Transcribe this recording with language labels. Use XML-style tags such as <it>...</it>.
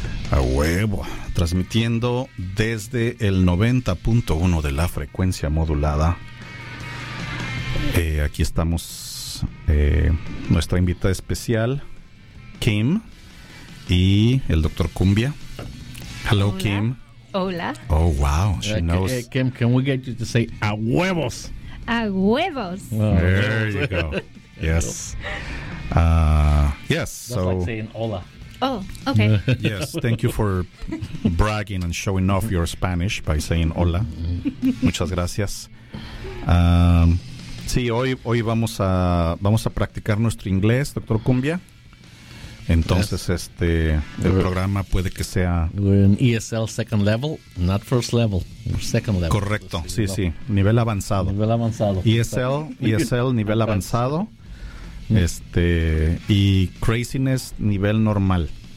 <es>A huevo, transmitiendo desde el 90.1 de la frecuencia modulada. Aquí estamos, nuestra invitada especial, Kim, y el doctor Cumbia.</es> <en>Hello, hola. Kim.</en> <es>Hola.</es> <en>Oh, wow. She knows. Hey, Kim, can we get you to say a huevos?</en> <es>A huevos.</es> <en>Oh, there you go. Yes. Yes. That's so, like saying hola. Oh, okay. Yes. Thank you for bragging and showing off your Spanish by saying hola.</en> <es>Muchas gracias. Sí, hoy vamos a practicar nuestro inglés, doctor Cumbia. Entonces, yes. El programa puede que sea...</es> <en>We're in ESL second level, not first level, second level.</en> <es>Correcto, sí, level. Sí, nivel avanzado. Nivel avanzado. ESL nivel avanzado, y craziness nivel normal.</es>